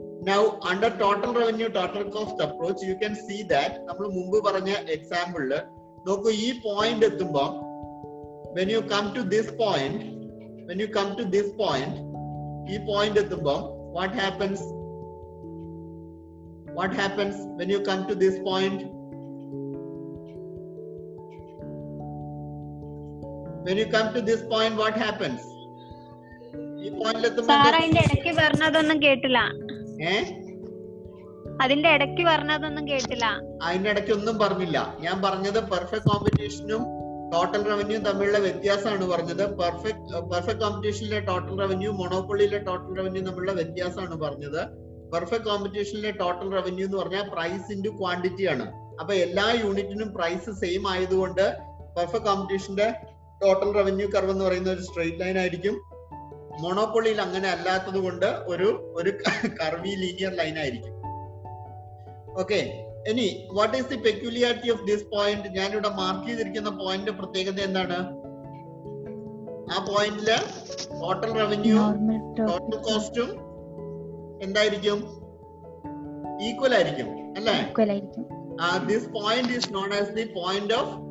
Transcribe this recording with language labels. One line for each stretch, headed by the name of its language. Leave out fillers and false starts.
English: now under total revenue total cost approach you can see that
Malayalam: നമ്മൾ മുമ്പ് പറഞ്ഞ എക്സാമ്പിളില് നോക്കൂ ഈ പോയിന്റ് എത്തുമ്പോ
English: when you come to this point When you come to this point,
Malayalam: ഈ point എത്തുമ്പോ
English: what happens when you come to this point? When you come to this point, what happens?
Malayalam: ഈ point എത്തുമ്പോ sir അതിന്റെ ഇടയ്ക്ക് വരുന്നതൊന്നും കേട്ടില്ല അതിന്റെ ഇടയ്ക്ക് ഒന്നും പറഞ്ഞില്ല ഞാൻ പറഞ്ഞത് perfect competition-ഉം ടോട്ടൽ റവന്യൂ തമ്മിലുള്ള വ്യത്യാസമാണ് പറഞ്ഞത് perfect കോമ്പറ്റീഷനിലെ total revenue മോണോപോളിയിലെ total revenue തമ്മിലുള്ള വ്യത്യാസമാണ് പറഞ്ഞത് പെർഫെക്ട് കോമ്പറ്റീഷനിലെ ടോട്ടൽ റവന്യൂ എന്ന് പറഞ്ഞാൽ പ്രൈസ് ഇൻറ്റു ക്വാണ്ടിറ്റി ആണ് അപ്പൊ എല്ലാ യൂണിറ്റിനും പ്രൈസ് സെയിം ആയതുകൊണ്ട് പെർഫെക്ട് കോമ്പറ്റീഷന്റെ ടോട്ടൽ റവന്യൂ കർവ് എന്ന് പറയുന്ന ഒരു സ്ട്രെയിറ്റ് ലൈൻ ആയിരിക്കും മോണോപോളിയിൽ അങ്ങനെ അല്ലാത്തത് കൊണ്ട് ഒരു ഒരു കർവി ലീനിയർ ലൈൻ ആയിരിക്കും ഓക്കെ ഇനി
English: what is the peculiarity of this point
Malayalam: ഞാനിവിടെ മാർക്ക് ചെയ്തിരിക്കുന്ന പോയിന്റിന്റെ പ്രത്യേകത എന്താണ് ആ പോയിന്റില് ഹോട്ടൽ റവന്യൂ ടോട്ടൽ കോസ്റ്റും എന്തായിരിക്കും? ഈക്വൽ ആയിരിക്കും അല്ലേ?
English: This point is known as the point of